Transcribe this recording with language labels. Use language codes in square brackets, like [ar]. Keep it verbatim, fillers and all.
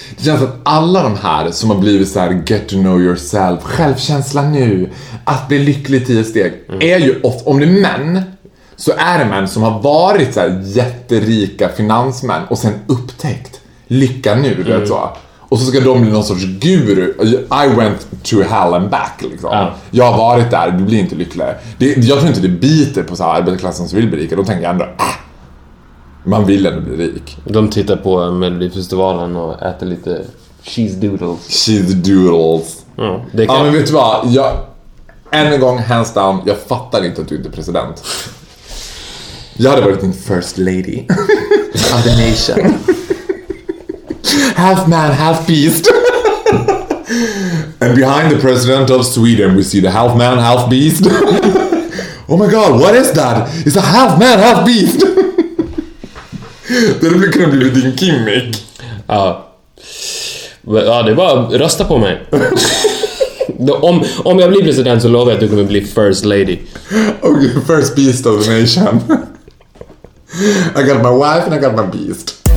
[sv] Det känns att alla de här som har blivit så här [en] get to know yourself, [sv] självkänsla nu, att bli lycklig i tio steg, mm. är ju ofta, om det är män, så är det män som har varit så här jätterika finansmän och sen upptäckt lycka nu, mm. vet du så. Och så ska de bli någon sorts guru. [en] I went to hell and back [sv] liksom. Ja. Jag har varit där, du blir inte lycklig. Det, jag tror inte det biter på så här arbetarklassen som vill bli rika. De tänker ändå, ah, man vill ändå bli rik. De tittar på Melodifestivalen och äter lite cheese doodles. [en] Cheese doodles. [sv] Ja, det kan... ja men vet du vad? Jag, än en gång, [en] hands down, [sv] jag fattar inte att du inte är president. Jag hade varit din first lady [en] of the nation. Half man, half beast. And behind the president of Sweden we see the half man, half beast. Oh my god, what is that? It's a half man, half beast. [sv] Det hade kunnat bli din gimmick. Ja. Ja, det var rösta på mig. Om, om jag blir president så lovar jag att du kommer bli first lady. [en] Okay, first beast of the nation. I got my wife and I got my beast.